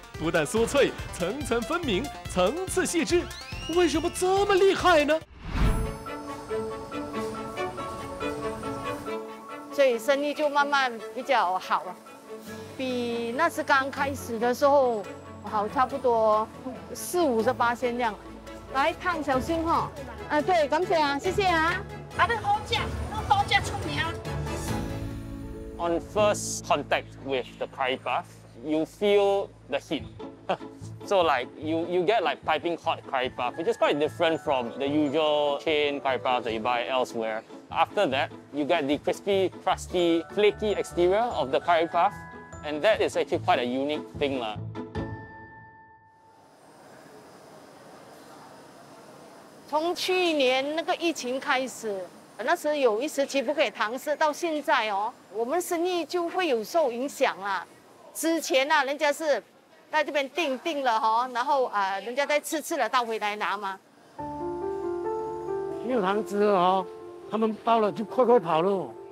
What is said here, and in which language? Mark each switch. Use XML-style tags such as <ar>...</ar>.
<zh>不但酥脆，层层分明，层次细致，为什么这么厉害呢？所以生意就慢慢比较好了，比那时刚开始的时候好差不多4-5%这样。来，烫小心哈、哦，啊，对，感谢啊，谢谢啊，啊，那高价，那高价出名啊。</zh> <en>On first contact with the curry puff, you feel the heat. So like you get like piping hot curry puff, which is quite different from the usual chain curry puff that you buy elsewhere. After that, you get the crispy, crusty, flaky exterior of the curry puff, and that is actually quite a unique thing lah. From last year,</en> <zh>那时有一时期不可以堂食，到现在哦，我们生意就会有受影响啦。之前啊，人家是在这边订了哈，然后啊，人家再吃了到回来拿嘛。没有堂食哦，他们到了就快快跑了。</zh>